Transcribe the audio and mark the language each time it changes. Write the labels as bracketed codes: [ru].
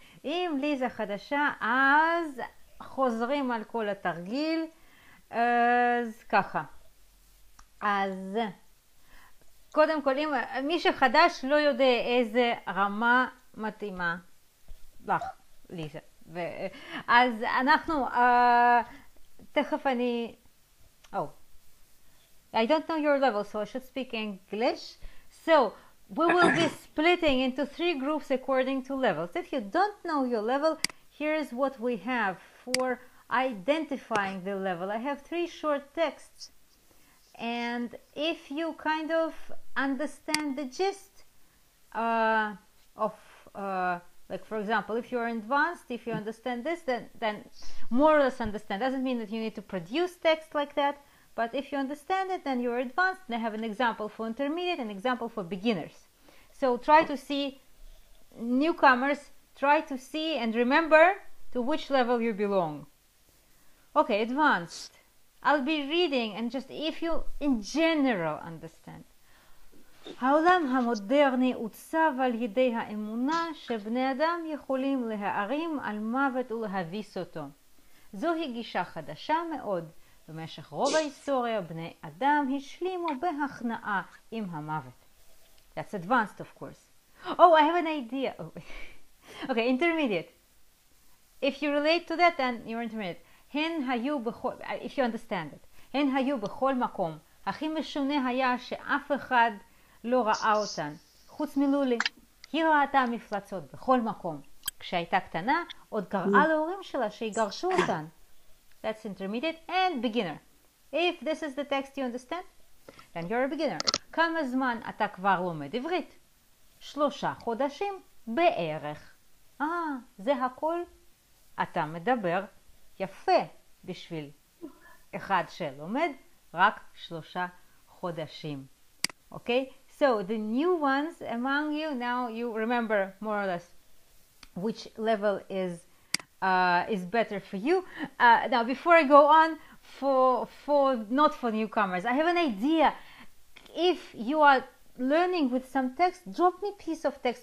[he] אם ליזה חדשה, אז חוזרים על כל התרגיל. אז ככה. אז... קודם כל, אם מי שחדש לא יודע איזה רמה מתאימה לך, ליזה. ו... אז אנחנו, תכף אני... [en] Oh, I don't know your level, so I should speak English. So, we will be splitting into three groups according to levels. If you don't know your level, here's what we have for identifying the level. I have three short texts. And if you kind of understand the gist of like, for example, if you are advanced, if you understand this, then more or less understand. Doesn't mean that you need to produce text like that, but if you understand it, then you're advanced. And I have an example for intermediate, an example for beginners. So try to see newcomers, try to see and remember to which level you belong. Okay, advanced. I'll be reading, and just if you, in general, understand. [he] העולם המודרני עוצב על ידי האמונה שבני אדם יכולים להערים על מוות ולהביס אותו. זוהי גישה חדשה מאוד. במשך רוב ההיסטוריה, בני אדם השלימו בהכנעה עם המוות. [en] That's advanced, of course. Oh, I have an idea. Oh. Okay, intermediate. If you relate to that, then you're intermediate. [he] הן היו בכל, [en] if you understand it, [he] הן היו בכל מקום. הכי משונה היה שאף אחד לא ראה אותן. חוץ מלולי, היא ראתה מפלצות בכל מקום. כשהייתה קטנה, עוד קראה להורים שלה שיגרשו אותן. [en] That's intermediate and beginner. If this is the text you understand, then you're a beginner. [he] כמה זמן אתה כבר לומד עברית? 3 חודשים בערך. זה הכל? אתה מדבר. יפה בשביל אחד שלומד רק 3 חודשים. [en] Okay, so the new ones among you, now you remember more or less which level is better for you. Now before I go on, for not for newcomers, I have an idea. If you are learning with some text, drop me a piece of text.